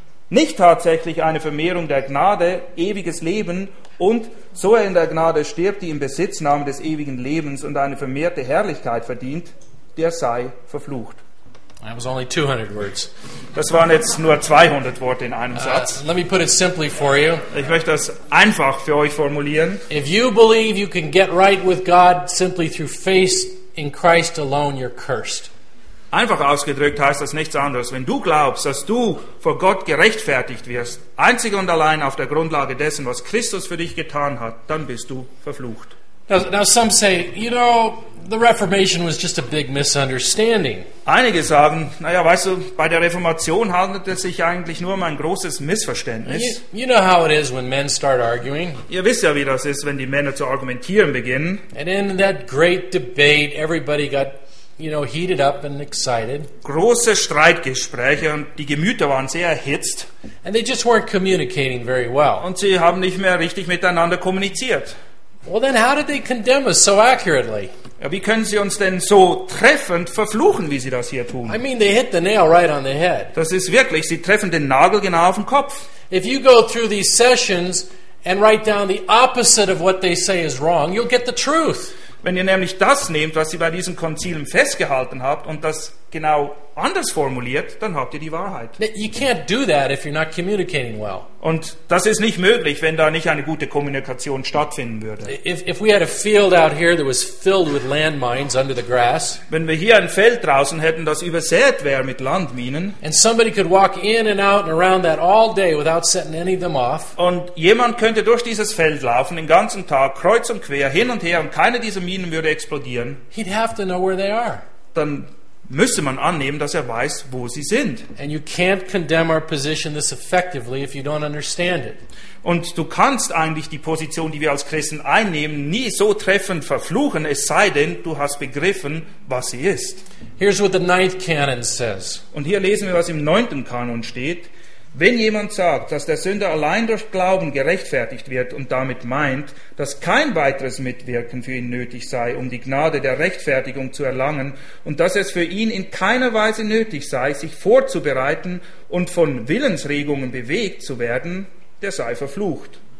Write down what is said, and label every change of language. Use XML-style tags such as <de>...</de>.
<de>nicht tatsächlich eine Vermehrung der Gnade, ewiges Leben und so er in der Gnade stirbt, die im Besitznahme des ewigen Lebens und eine vermehrte Herrlichkeit verdient, der sei verflucht.</de> <en>That was only 200 words.</en> <de>Das waren jetzt nur 200 Worte in einem Satz.</de> <en>Let me put it simply for you.</en> <de>Ich möchte das einfach für euch formulieren.</de> <en>If you believe you can get right with God simply through faith, in Christ alone you're cursed.</en> <de>Einfach ausgedrückt heißt das nichts anderes. Wenn du glaubst, dass du vor Gott gerechtfertigt wirst, einzig und allein auf der Grundlage dessen, was Christus für dich getan hat, dann bist du verflucht.</de> <en>Now some say, you know, the Reformation was just a big misunderstanding.</en> <de>Einige sagen, naja, weißt du, bei der Reformation handelt es sich eigentlich nur um ein großes Missverständnis.</de> <en>You know how it is when men start arguing.</en> <de>Ihr wisst ja, wie das ist, wenn die Männer zu argumentieren beginnen.</de> <en>And in that great debate, everybody got, you know, heated up and excited.</en> <de>Große Streitgespräche und die Gemüter waren sehr erhitzt.</de> <en>And they just weren't communicating very well.</en> <de>Und sie haben nicht mehr richtig miteinander kommuniziert.</de> <en>Well then, how did they condemn us so accurately?</en> <de>Ja, wie können sie uns denn so treffend verfluchen, wie sie das hier tun?</de> <en>I mean, they hit the nail right on the head.</en> <de>Das ist wirklich, sie treffen den Nagel genau auf den Kopf.</de> <en>If you go through these sessions and write down the opposite of what they say is wrong, you'll get the truth.</en> <de>Wenn ihr nämlich das nehmt, was sie bei diesen Konzilen festgehalten habt und das genau anders formuliert, dann habt ihr die Wahrheit.</de> <en>You can't do that if you're not communicating well.</en> <de>Und das ist nicht möglich, wenn da nicht eine gute Kommunikation stattfinden würde.</de> <en>If we had a field out here that was filled with landmines under the grass.</en> <de>Wenn wir hier ein Feld draußen hätten, das übersät wäre mit Landminen.</de> <en>And somebody could walk in and out and around that all day without setting any of them off.</en> <de>Und jemand könnte durch dieses Feld laufen den ganzen Tag kreuz und quer hin und her und keine dieser Minen würde explodieren.</de> <en>He'd have to know where they are.</en> <de>Dann müsste man annehmen, dass er weiß, wo sie sind.</de> <en>And you can't condemn our position this effectively if you don't understand it.</en> <de>Und du kannst eigentlich die Position, die wir als Christen einnehmen, nie so treffend verfluchen, es sei denn, du hast begriffen, was sie ist.</de> <en>Here's what the ninth canon says.</en> <de>Und hier lesen wir, was im neunten Kanon steht. Wenn jemand sagt, dass der Sünder allein durch Glauben gerechtfertigt wird und damit meint, dass kein weiteres Mitwirken für ihn nötig sei, um die Gnade der Rechtfertigung zu erlangen und dass es für ihn in keiner Weise nötig sei, sich vorzubereiten und von Willensregungen bewegt zu werden, der sei verflucht.</de>